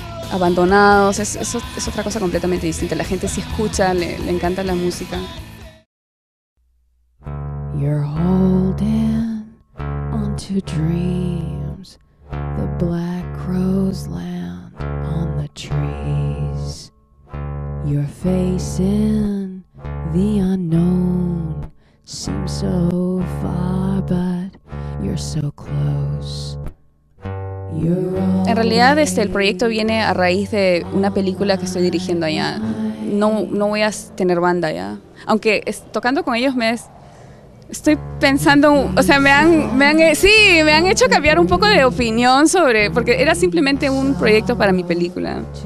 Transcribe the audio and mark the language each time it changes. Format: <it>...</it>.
<es>Abandonados, es otra cosa completamente distinta. La gente sí escucha, le encanta la música.</es> <en>You're holding on to dreams. The black crows land on the trees. You're facing the unknown. Seems so far, but you're so close.</en> <es>En realidad el proyecto viene a raíz de una película que estoy dirigiendo allá. No voy a tener banda allá. Aunque tocando con ellos estoy pensando, o sea, me han hecho cambiar un poco de opinión sobre, porque era simplemente un proyecto para mi película.</es>